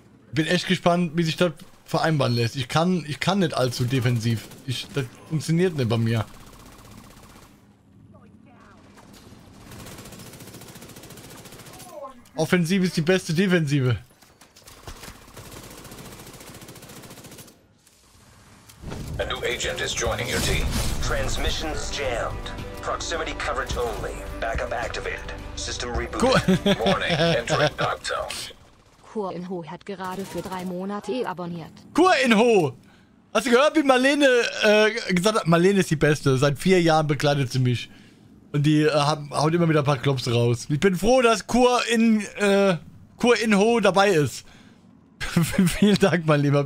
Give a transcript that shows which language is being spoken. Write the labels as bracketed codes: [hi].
[de] Bin echt gespannt, wie sich das vereinbaren lässt. Ich kann nicht allzu defensiv. Das funktioniert nicht bei mir. Offensive ist die beste Defensive. [en] A new agent is joining your team. Transmissions jammed. Proximity coverage only. Backup activated. System rebooted. Cool. Warning, entering dark zone. [de] Kur-Inho hat gerade für 3 Monate abonniert. Kur-Inho! Hast du gehört, wie Marlene gesagt hat? Marlene ist die Beste. Seit 4 Jahren begleitet sie mich. Und die haut immer wieder ein paar Klops raus. Ich bin froh, dass Kur-Inho dabei ist. Vielen Dank, mein Lieber.